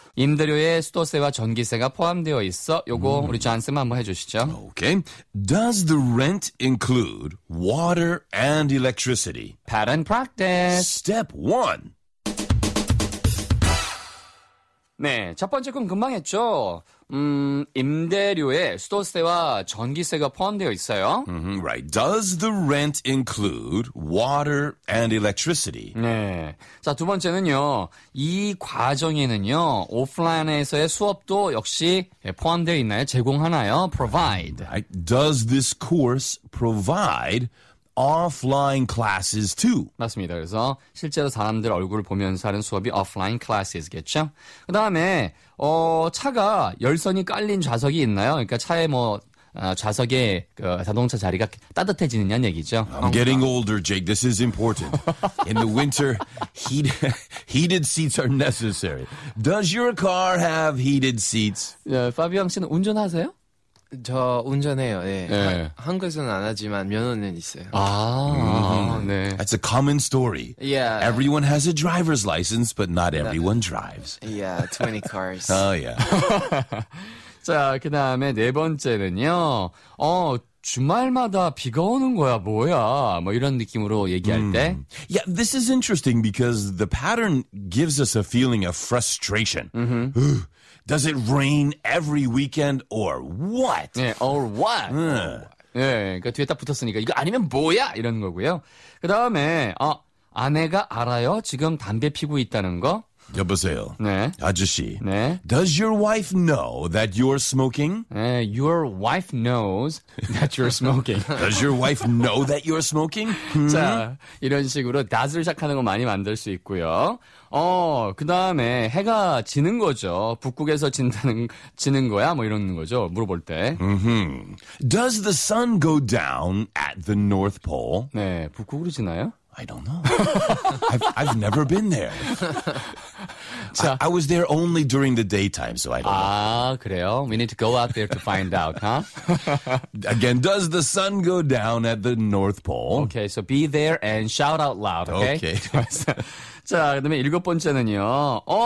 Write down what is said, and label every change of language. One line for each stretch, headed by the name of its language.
Korean: 임대료에 수도세와 전기세가 포함되어 있어. 요거 우리 잔쌤 한번 해주시죠.
English: Okay. Does the rent include water and electricity? Pattern practice. Step one.
Korean: 네, 첫 번째 건 금방 했죠. 임대료에 수도세와 전기세가 포함되어 있어요.
English: Right. Does the rent include water and electricity?
Korean: 네. 자, 두 번째는요. 이 과정에는요. 오프라인에서의 수업도 역시 포함되어 있나요? 제공하나요? Provide.
English: Right. Does this course provide offline classes too.
Korean: 맞습니다. 그래서 실제로 사람들 얼굴을 보면서 하는 수업이
English: offline classes
Korean: 겠죠. 그 다음에 차가 열선이 깔린 좌석이 있나요? 그러니까 차에 뭐 좌석에 그 자동차 자리가 따뜻해지느냐는 얘기죠.
English: I'm getting older, Jake. This is important. In the winter, heated seats are necessary. Does your car have heated seats?
Korean: 예, 파비앙 씨는 운전하세요? 저 운전해요. 예. 네. 한국에서는 안 하지만 면허는 있어요. 아, 네.
English: That's a common story. Yeah. Everyone has a driver's license, but not everyone drives. Yeah, 20 cars. Oh, yeah.
Korean: 자, 그다음에 네 번째는요. 주말마다 비가 오는 거야, 뭐야? 뭐 이런 느낌으로 얘기할 때.
English: Yeah, this is interesting because the pattern gives us a feeling of frustration. Does it rain every weekend or what? 네, or what?
Korean: 네, 그러니까 뒤에 딱 붙었으니까 이거 아니면 뭐야? 이런 거고요. 그다음에 아내가 알아요? 지금 담배 피고 있다는 거? 여보세요. 네. 아저씨. 네.
English: Does your wife know that you're smoking? 네, your wife knows that you're smoking. Does your wife know that you're smoking?
Korean: 자, 이런 식으로 does를 시작하는 거 많이 만들 수 있고요. 그 다음에 해가 지는 거죠. 북극에서 지는 거야? 뭐 이런 거죠. 물어볼 때.
English: Does the sun go down at the North Pole?
Korean: 네, 북극으로 지나요?
English: I don't know. I've never been there. 자, I was there only during the daytime, so I don't know.
Korean: 아, 그래요?
English: We need to go out there to find out, huh? Again, does the sun go down at the North Pole? Okay, so be there and shout out loud, okay? Okay.
Korean: 자, 그 다음에 일곱 번째는요.